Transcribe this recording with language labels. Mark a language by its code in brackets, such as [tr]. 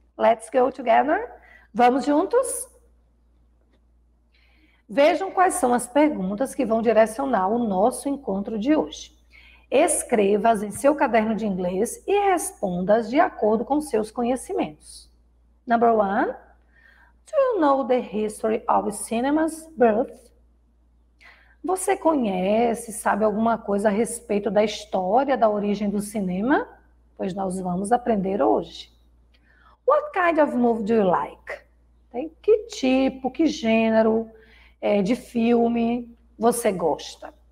[en] Let's go together. [pt] Vamos juntos? Vejam quais são as perguntas que vão direcionar o nosso encontro de hoje. Escreva-as em seu caderno de inglês e responda-as de acordo com seus conhecimentos. [en] Number one, do you know the history of cinema's birth? [pt] Você conhece, sabe alguma coisa a respeito da história da origem do cinema? Pois nós vamos aprender hoje. [en] What kind of movie do you like? [pt] Tem que tipo, que gênero de filme você gosta?